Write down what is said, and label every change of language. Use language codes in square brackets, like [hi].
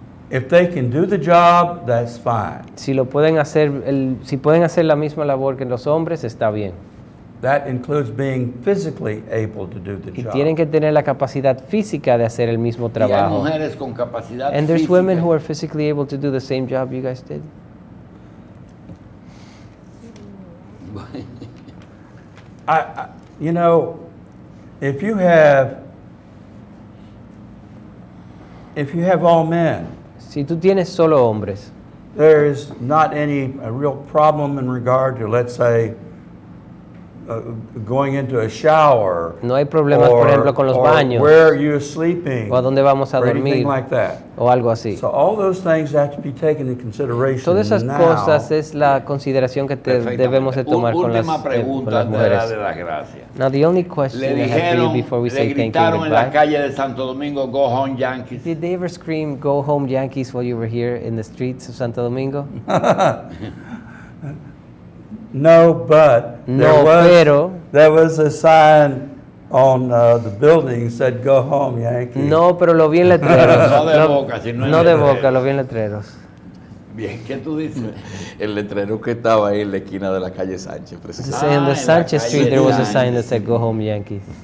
[en] If they can do the job, that's fine. [es] Si lo pueden hacer, si pueden hacer la misma labor que los hombres, está bien. [en] That includes being physically able to do the job. [es] Y tienen que tener la capacidad física de hacer el mismo trabajo. Y hay mujeres con capacidad física. [en] And there's women who are physically able to do the same job you guys did. You know, if you have all men. [es] Si tú tienes solo hombres, [en] there is not any a real problem in regard to, let's say, going into a shower. [es] No hay problemas, por ejemplo, con los baños. [en] Where are you sleeping? [es] O a dónde vamos a dormir. [en] Anything like that. [es] O algo así. [en] So all those things have to be taken into consideration. [es] Todas esas cosas es la consideración que debemos de tomar con las mujeres. De las gracias. [en] Now the only question le I have for you before we say thank you. [es] Le gritaron en la calle de Santo Domingo, [en] "Go home, Yankees." Did they ever scream, "Go home, Yankees," while you were here in the streets of Santo Domingo? No, but there was a sign on the building that said, "Go home, Yankee." [es] No, pero lo vi en letreros. No de boca, lo vi en letreros. Bien, ¿qué tú dices? El letrero que estaba ahí en la esquina de la calle Sánchez, precisamente. [en] En the Sánchez Street, there was a sign that said, "Go home, Yankee."